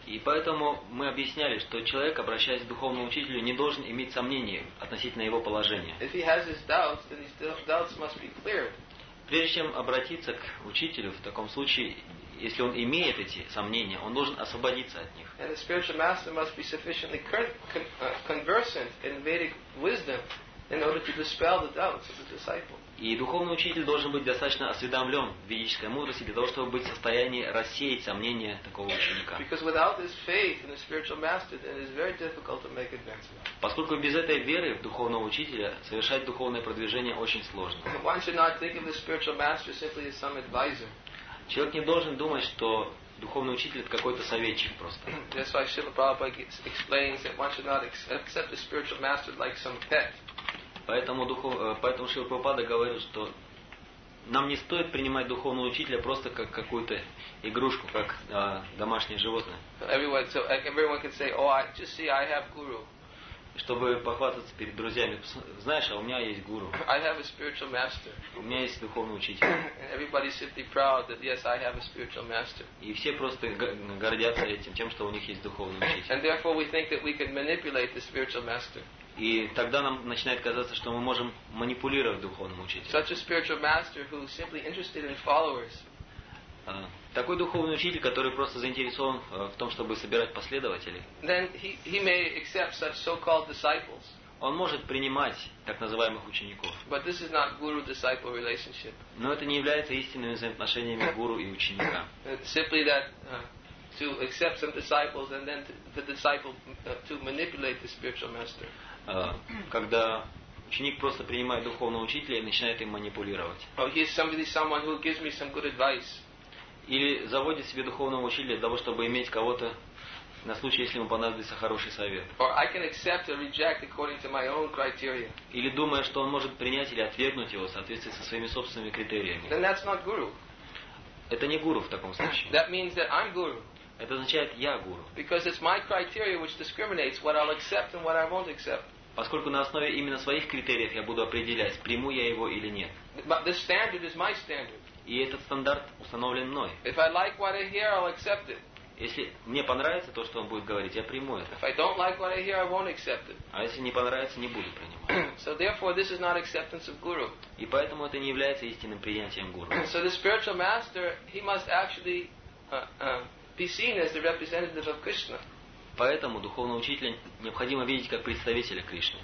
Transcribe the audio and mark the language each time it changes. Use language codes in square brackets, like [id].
[ru] И поэтому мы объясняли, что человек, обращаясь к духовному учителю, не должен иметь сомнений относительно его положения. [en] If he has his doubts, then his doubts must be cleared. [ru] Прежде чем обратиться к учителю, в таком случае, если он имеет эти сомнения, он должен освободиться от них. [en] And the spiritual master must be sufficiently conversant in Vedic wisdom in order to dispel the doubts of the disciple. [ru] И духовный учитель должен быть достаточно осведомлен в ведической мудрости для того, чтобы быть в состоянии рассеять сомнения такого ученика. [en] Because without this faith in the spiritual master, then it's very difficult to make advancement. [ru] Поскольку без этой веры в духовного учителя совершать духовное продвижение очень сложно. [en] One should not think of the spiritual master simply as some advisor. [ru] Человек не должен думать, что духовный учитель — это какой-то советчик просто. [en] That's why Srila Prabhupada explains that one should not accept the spiritual master like some pet. [ru] Поэтому Шрила Прабхупада говорит, что нам не стоит принимать духовного учителя просто как какую-то игрушку, как домашнее животное. [en] Everyone can say, oh, I just see, I have guru. [ru] Чтобы похвастаться перед друзьями, знаешь, а у меня есть гуру. [en] I have a spiritual master. [ru] У меня есть духовный учитель. [en] Everybody should be proud that yes, I have a spiritual master. [ru] И все просто гордятся этим, тем, что у них есть духовный учитель. [en] And therefore we think that we can manipulate the spiritual master. [ru] И тогда нам начинает казаться, что мы можем манипулировать духовным учителем. [en] Such a spiritual master who is simply interested in followers. [ru] Такой духовный учитель, который просто заинтересован в том, чтобы собирать последователей. [en] Then he may accept such so-called disciples. [ru] Он может принимать так называемых учеников. [en] But this is not guru-disciple relationship. [ru] Но это не является истинными взаимоотношениями гуру и ученика. [en] Simply that to accept some disciples and then the disciple to manipulate the spiritual master. [ru] Когда ученик просто принимает духовного учителя и начинает им манипулировать. Или заводит себе духовного учителя для того, чтобы иметь кого-то на случай, если ему понадобится хороший совет. [en] Or I can accept or reject according to my own criteria. [ru] Или думая, что он может принять или отвергнуть его в соответствии со своими собственными критериями. [en] Then that's not guru. [ru] Это не гуру в таком случае. [en] That means that I'm guru. [ru] Это означает, я гуру. [en] Because it's my criteria which discriminates what I'll accept and what I won't accept. [ru] Поскольку на основе именно своих критериев я буду определять, приму я его или нет. [en] But the standard is my standard. [ru] И этот стандарт установлен мной. [en] If I like what I hear, I'll accept it. [ru] Если мне понравится то, что он будет говорить, я приму это. [en] If I don't like what I hear, I won't accept it. [ru] А если не понравится, не буду принимать. [en] So therefore, this is not acceptance of guru. [ru] И поэтому это не является истинным принятием гуру. [en] So the spiritual master, he must actually be seen as the representative of Krishna. [ru] Поэтому духовного учителя необходимо видеть как представителя Кришны.